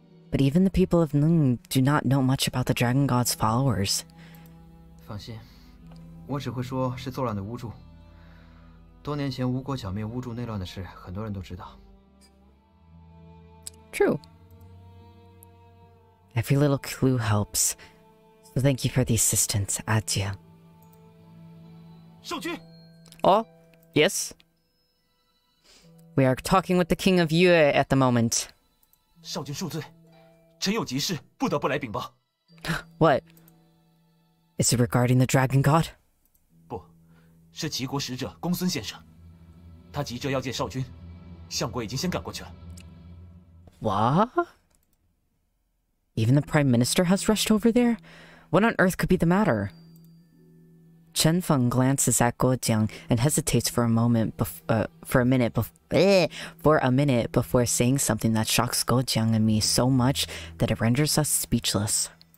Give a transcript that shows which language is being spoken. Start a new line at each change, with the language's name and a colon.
English: But even the people of Nung do not know much about the Dragon God's followers.
Chinese: 放心，我只会说是作乱的巫祝。多年前吴国剿灭巫祝内乱的事，很多人都知道。
English: True. Every little clue helps. So thank you for the assistance, Adia. Shoujun! Oh, yes? We are talking with the King of Yue at the moment.
Chinese: Shoujun, 恕罪. 臣有急事, 不得不来禀报.
English: What? Is it regarding the Dragon God?
Chinese: 不, 是齐国使者, 公孙先生.他急着要见少君, 相国已经先赶过去了.
English: What? Even the Prime Minister has rushed over there? What on earth could be the matter? Chen Feng glances at Guo Jiang and hesitates for a moment before saying something that shocks Guo Jiang and me so much that it renders us speechless.